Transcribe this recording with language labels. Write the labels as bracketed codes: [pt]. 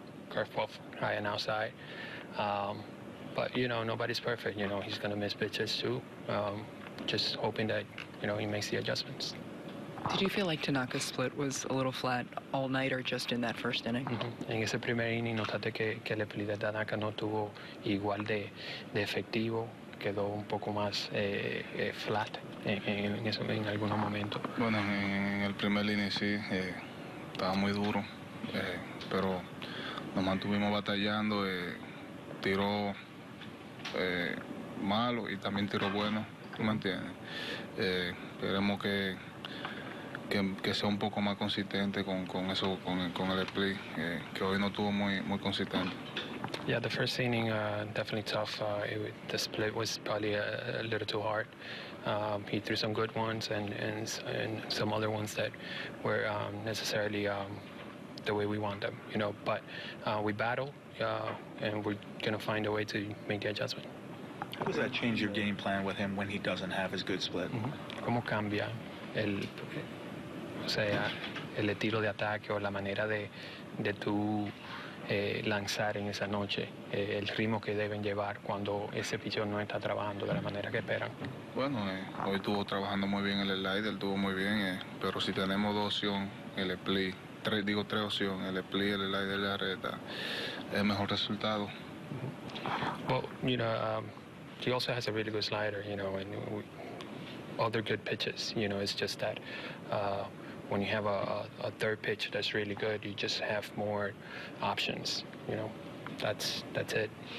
[en] Curveball, high and outside. But, you know, nobody's perfect. You know, he's going to miss pitches too. Just hoping that, you know, he makes the adjustments. Did you feel like Tanaka's split was a little flat all night or just in that first inning? [es] En ese primer inning, notaste que el split de Tanaka no tuvo igual de efectivo. Quedó un poco más flat en algunos momentos. Bueno, en el primer inning sí, estaba muy duro, pero nos mantuvimos batallando, tiró malo y también tiró bueno, ¿tú me entiendes? Queremos que sea un poco más consistente con eso, con el split, que hoy no estuvo muy consistente. [en] Yeah, the first inning definitely tough. The split was probably a little too hard. He threw some good ones and some other ones that were necessarily the way we want them, you know. But we battled and we're gonna find a way to make the adjustment. How does that change your game plan with him when he doesn't have his good split? [es] ¿Cómo cambia el, o sea, el estilo de ataque o la manera de tu lanzar en esa noche, el ritmo que deben llevar cuando ese pitcher no está trabajando de la manera que esperan? Bueno, hoy estuvo trabajando muy bien el slider, estuvo muy bien, pero si tenemos dos opciones, el split, tres opciones, el split, el slider y la reta, es mejor resultado. [en] Well, you know, he also has a really good slider, you know, and other good pitches, you know, it's just that when you have a third pitch that's really good, you just have more options, you know. That's it.